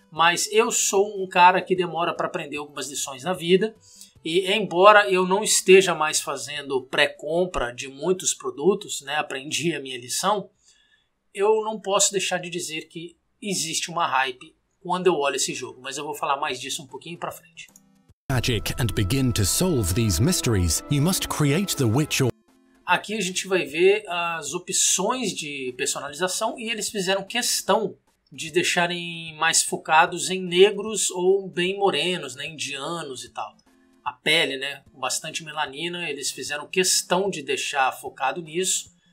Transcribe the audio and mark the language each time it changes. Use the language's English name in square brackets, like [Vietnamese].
[Portuguese] Mas eu sou um cara que demora para aprender algumas lições na vida, e embora eu não esteja mais fazendo pré-compra de muitos produtos, né, aprendi a minha lição, eu não posso deixar de dizer que existe uma hype quando eu olho esse jogo, mas eu vou falar mais disso um pouquinho para frente. [English] Magic and begin to solve these mysteries, you must create the witch or... [Portuguese] Aqui a gente vai ver as opções de personalização e eles fizeram questão de deixarem mais focados em negros ou bem morenos, né, indianos e tal. A pele, né, com bastante melanina, eles fizeram questão de deixar focado nisso.